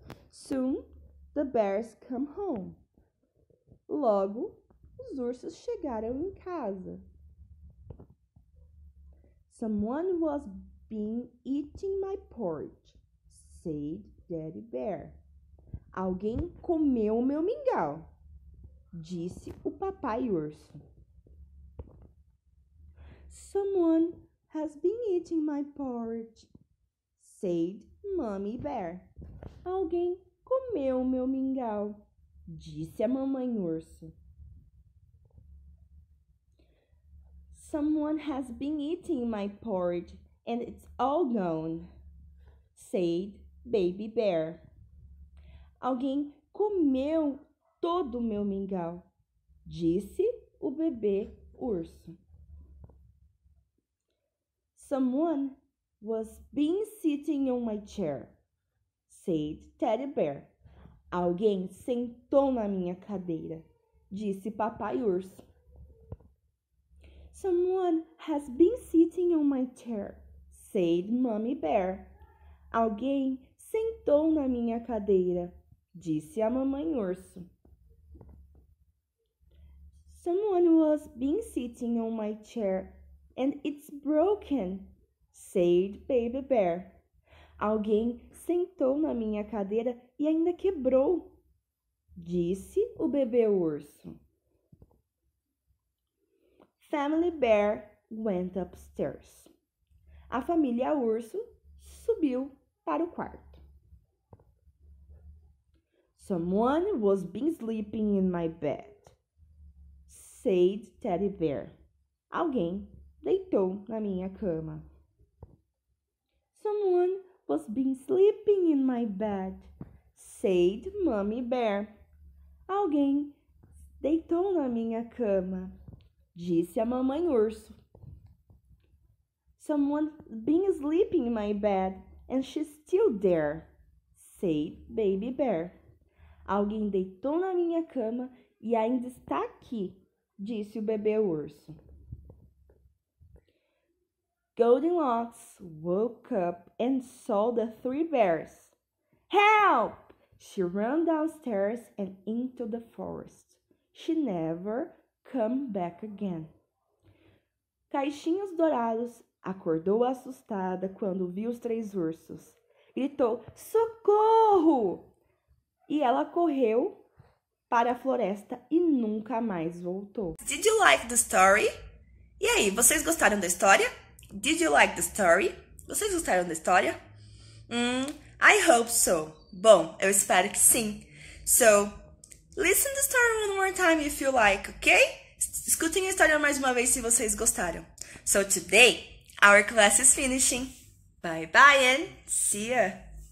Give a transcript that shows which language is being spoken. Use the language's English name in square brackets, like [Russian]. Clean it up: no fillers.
[English] Soon, the bears come home. [Portuguese] Logo, os ursos chegaram em casa. [English] Someone was being eating my porridge, said Daddy Bear. [Portuguese] Alguém comeu o meu mingau, disse o papai urso. [English] Someone has been eating my porridge, said Mommy Bear. [Portuguese] Alguém comeu meu mingau, disse a mamãe urso. [English] Someone has been eating my porridge and it's all gone, said Baby Bear. [Portuguese] Alguém comeu todo meu mingau, disse o bebê urso. [English] Someone was being sitting on my chair, said Teddy Bear. [Portuguese] Alguém sentou na minha cadeira, disse Papai Urso. [English] Someone has been sitting on my chair, said Mommy Bear. [Portuguese] Alguém sentou na minha cadeira, disse a Mamãe Urso. [English] Someone was been sitting on my chair and it's broken, said Baby Bear. [Portuguese] Alguém sentou na minha cadeira e ainda quebrou, disse o bebê urso. [English] Family Bear went upstairs. [Portuguese] A família urso subiu para o quarto. [English] Someone was been sleeping in my bed, said Teddy Bear. [Portuguese] Alguém deitou na minha cama. [English] Someone was been sleeping in my bed, said Mommy Bear. [Portuguese] Alguém deitou na minha cama, disse a Mamãe Urso. [English] Someone been sleeping in my bed and she's still there, said Baby Bear. [Portuguese] Alguém deitou na minha cama e ainda está aqui, disse o bebê urso. [English] Goldilocks woke up and saw the three bears. Help! She ran downstairs and into the forest. She never came back again. [Portuguese] Caixinhos Dourados acordou assustada quando viu os três ursos. Gritou, socorro! E ela correu para a floresta e nunca mais voltou. [English] Did you like the story? [Portuguese] E aí, vocês gostaram da história? [English] Did you like the story? [Portuguese] Vocês gostaram da história? [English] I hope so. [Portuguese] Bom, eu espero que sim. [English] So, listen the story one more time if you like, okay? [Portuguese] Escutem a história mais uma vez se vocês gostaram. [English] So, today, our class is finishing. Bye-bye and see ya!